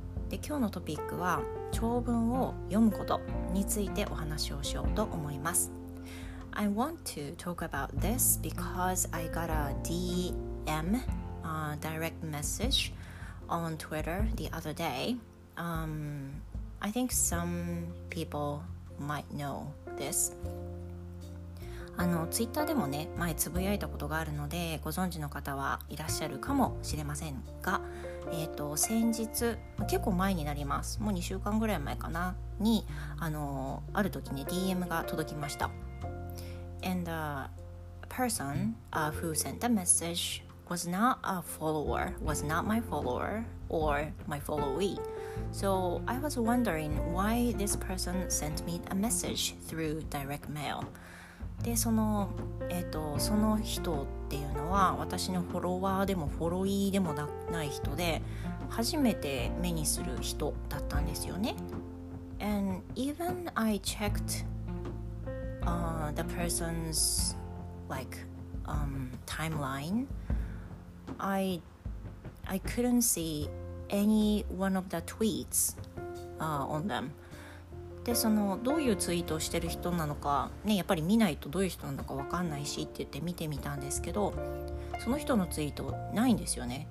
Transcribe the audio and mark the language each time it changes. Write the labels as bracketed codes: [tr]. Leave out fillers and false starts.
[ja] で、今日のトピックは長文を読むことについてお話をしようと思います。 [en] I want to talk about this because I got a DM, direct message on Twitter the other day. I think some people might know this. [ja] Twitter でもね、前つぶやいたことがあるので、ご存知の方はいらっしゃるかもしれませんが、先日、結構前になります。もう2週間ぐらい前かな、に、ある時に DM が届きました。 [en] And the person who sent the message was not a follower, was not my follower or my followee. So I was wondering why this person sent me a message through direct mail. [ja] で、その人っていうのは私のフォロワーでもフォロイーでもない人で、初めて目にする人だったんですよね。 [en] And even I checkedthe person's like timeline, I I couldn't see any one of the tweets、on them. [ja] で、そのどういうツイートをしてる人なのか、ね、やっぱり見ないとどういう人なのか分かんないしって言って見てみたんですけど、その人のツイートないんですよね。